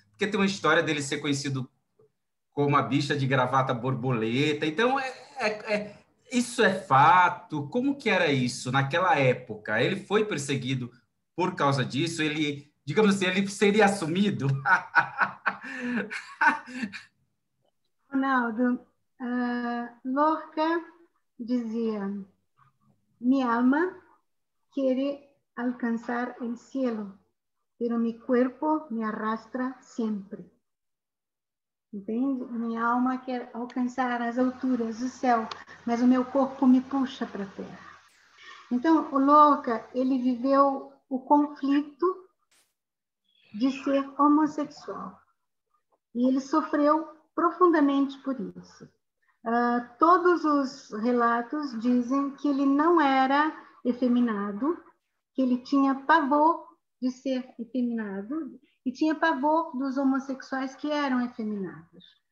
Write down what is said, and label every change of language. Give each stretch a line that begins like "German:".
Portuguese: Porque tem uma história dele ser conhecido como a bicha de gravata borboleta, então isso é fato? Como que era isso naquela época? Ele foi perseguido por causa disso? Ele, digamos assim, ele seria assumido? Ronaldo, Lorca dizia,
Spanish: mi alma quiere alcanzar el cielo, pero mi cuerpo me arrastra siempre.
Portuguese: Entende? Minha alma quer alcançar as alturas do céu, mas o meu corpo me puxa para a terra. Então, o Lorca, ele viveu o conflito de ser homossexual. E ele sofreu profundamente por isso. Todos os relatos dizem que ele não era efeminado, que ele tinha pavor de ser efeminado e tinha pavor dos homossexuais que eram efeminados.